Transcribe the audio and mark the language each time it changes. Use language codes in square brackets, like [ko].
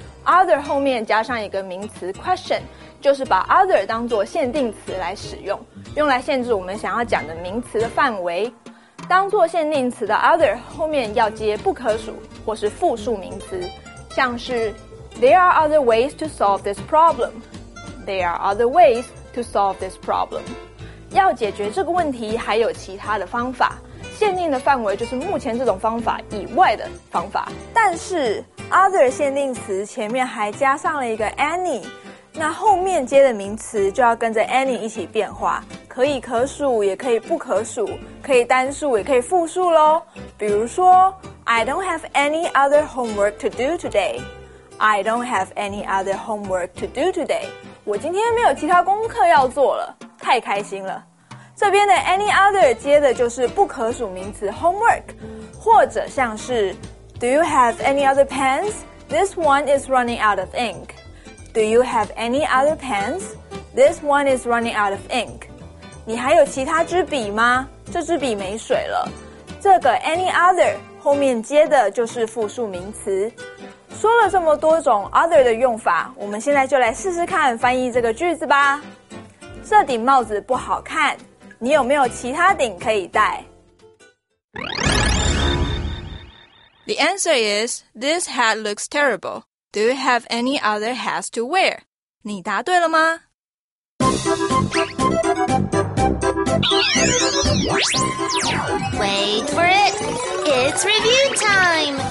[zh] other 后面加上一个名词 question，就是把 other 当作限定词来使用，用来限制我们想要讲的名词的范围。当作限定词的 other 后面要接不可数或是复数名词，像是 [en] There are other ways to solve this problem. There are other ways to solve this problem. [zh] 要解决这个问题还有其他的方法，限定的范围就是目前这种方法以外的方法。但是 other 限定词前面还加上了一个 any，那后面接的名词就要跟着 any 一起变化，可以可数也可以不可数，可以单数也可以复数咯。比如说 [en] I don't have any other homework to do today. I don't have any other homework to do today. [zh] 我今天没有其他功课要做了，太开心了。这边的 any other 接的就是不可数名词 homework， 或者像是 [en] Do you have any other pens? This one is running out of ink. Do you have any other pens? This one is running out of ink. [zh] 你还有其他支笔吗？这支笔没水了。这个 any other 后面接的就是复数名词。说了这么多种 other 的用法，我们现在就来试试看翻译这个句子吧。这顶帽子不好看，你有没有其他顶可以戴？ [en] The answer is, this hat looks terrible. Do you have any other hats to wear? [zh] 你答对了吗？ [en] Wait for it! It's review time!